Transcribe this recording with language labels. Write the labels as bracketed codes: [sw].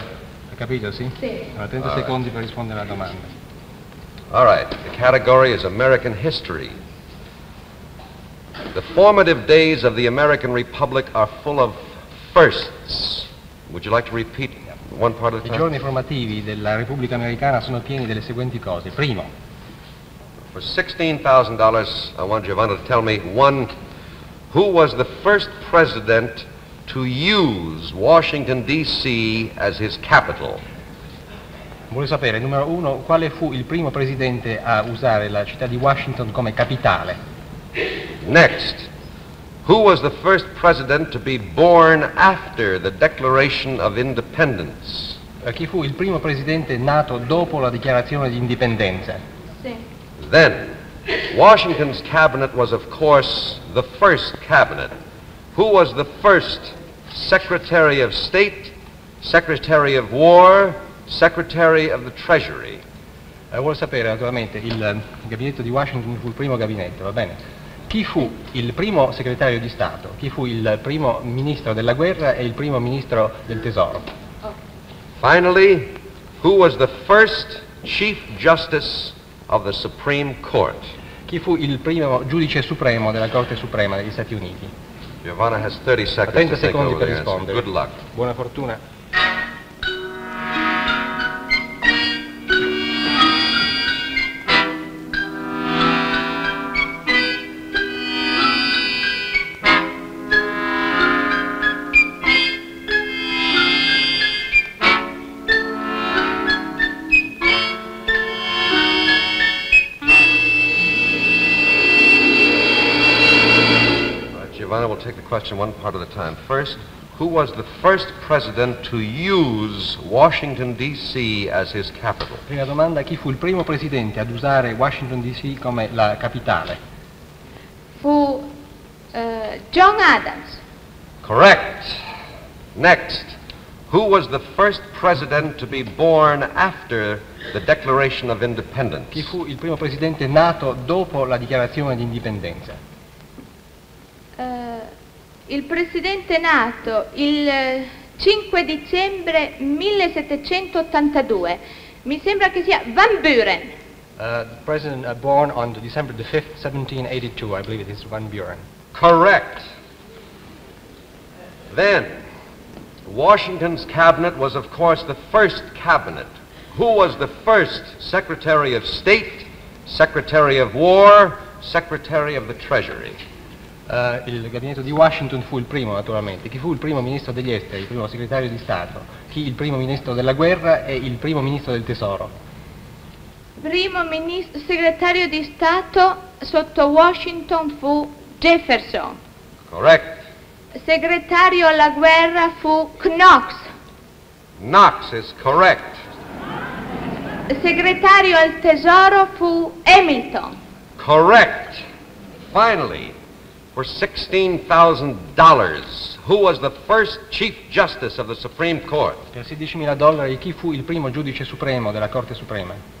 [it] Ho capito, sì? Sì. 30 secondi per rispondere alla domanda. [en] All right. The category is American history. The formative days of the American Republic are full of firsts. Would you like to repeat one part of the [it] time? I giorni formativi della Repubblica Americana sono pieni delle seguenti cose. Primo. [en] For $16,000, I want Giovanna to tell me, one, who was the first president to use Washington, D.C. as his capital? [it] Vuole sapere, numero uno, quale fu il primo presidente a usare la città di Washington come capitale? [en] Next, who was the first president to be born after the Declaration of Independence? [it] Chi fu il primo presidente nato dopo la dichiarazione di indipendenza? Sì. [en] Then, Washington's cabinet was of course the first cabinet. Who was the first Secretary of State, Secretary of War, Secretary of the Treasury? [it] Vuole sapere, naturalmente, il gabinetto di Washington fu il primo gabinetto, va bene. Chi fu il primo segretario di Stato? Chi fu il primo ministro della guerra e il primo ministro del tesoro? [en] Finally, who was the first Chief Justice of the Supreme Court? [it] Chi fu il primo giudice supremo della Corte Suprema degli Stati Uniti? [en] Giovanna has 30 seconds 30 to take over [it] per rispondere. [en] Good luck. [it] Buona fortuna. [en] Question one part at a time. First, who was the first president to use Washington D.C. as his capital? [it] Prima domanda, chi fu il primo presidente ad usare Washington D.C. come la capitale? Fu John Adams. [en] Correct. Next, who was the first president to be born after the Declaration of Independence? [it] Chi fu il primo presidente nato dopo la dichiarazione di indipendenza? Il presidente nato il 5 dicembre 1782. Mi sembra che sia Van Buren. [en] The president born on December the 5th, 1782. I believe it is Van Buren. Correct. Then, Washington's cabinet was of course the first cabinet. Who was the first Secretary of State, Secretary of War, Secretary of the Treasury? [it] Il gabinetto di Washington fu il primo, naturalmente. Chi fu il primo ministro degli esteri, il primo segretario di Stato? Chi il primo ministro della guerra e il primo ministro del tesoro? Primo ministro, segretario di Stato sotto Washington fu Jefferson. [en] Correct. [it] Segretario alla guerra fu Knox. [en] Knox is correct. [it] Segretario al tesoro fu Hamilton. [en] Correct. Finally, for $16,000, who was the first Chief Justice of the Supreme Court? [it] Per $16,000, chi fu il primo giudice supremo della Corte Suprema?